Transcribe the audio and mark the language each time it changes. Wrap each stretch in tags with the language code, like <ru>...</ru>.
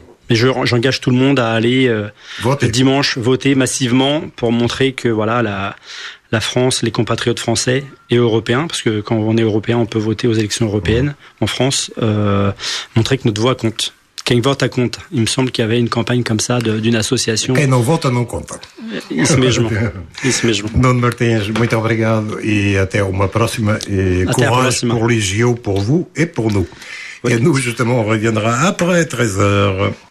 <fr>Mais j'engage tout le monde à aller le dimanche voter massivement pour montrer que, voilà, la France, les compatriotes français et européens, parce que quand on est européen, on peut voter aux élections européennes en France, montrer que notre voix compte. Qu'un vote à compte. Il me semble qu'il y avait une campagne comme ça d'une association. Qu'un vote à non compte.</fr> <pt>Isso mesmo. Don Martins, muito obrigado e até uma próxima.</pt> <fr>Et courage pour les JO, pour vous et pour nous. Oui. Et nous, justement, on reviendra après 13h.</fr>